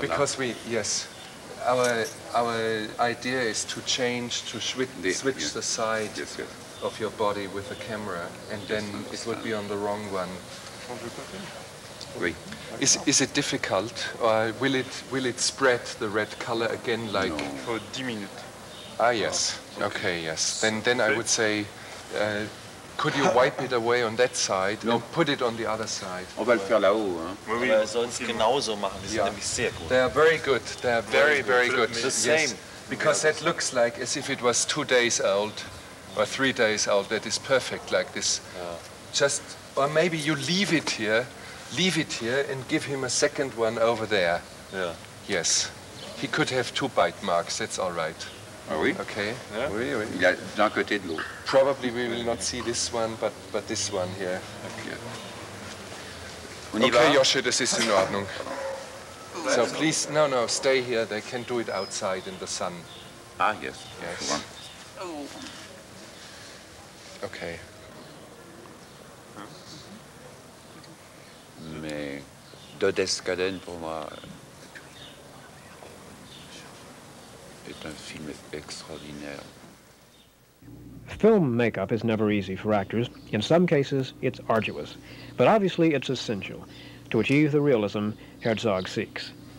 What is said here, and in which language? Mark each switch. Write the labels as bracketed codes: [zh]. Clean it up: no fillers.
[en] Because our idea is to change, to switch the side of your body with a camera, and then it would be on the wrong one. Is it difficult, or will it spread the red color again, like? No. For 10 minutes. Ah, yes. Okay, yes. Then I would say, could you wipe it away on that side and put it on the other side? [fr] On va le faire là-haut. [de] Wir sollen es genauso machen, die sind nämlich sehr gut. [en] They are very good, they are very, very good. The same. Because that looks like as if it was 2 days old, or 3 days old, that is perfect like this. Just, or maybe you leave it here and give him a second one over there. Yeah. Yes. He could have 2 bite marks, that's all right. [fr] Ah oui? [en] Okay. [fr] Yeah. Oui, oui. D'un côté de l'autre. [en] Probably we will not see this one, but this one here. Okay. Okay, Josche, das ist in Ordnung. So please, no, stay here. They can do it outside in the sun. Ah, yes. Yes. Okay. [fr] Mais Dodescaden pour moi est un film extraordinaire. [en] Film makeup is never easy for actors. In some cases, it's arduous, but obviously it's essential to achieve the realism Herzog seeks.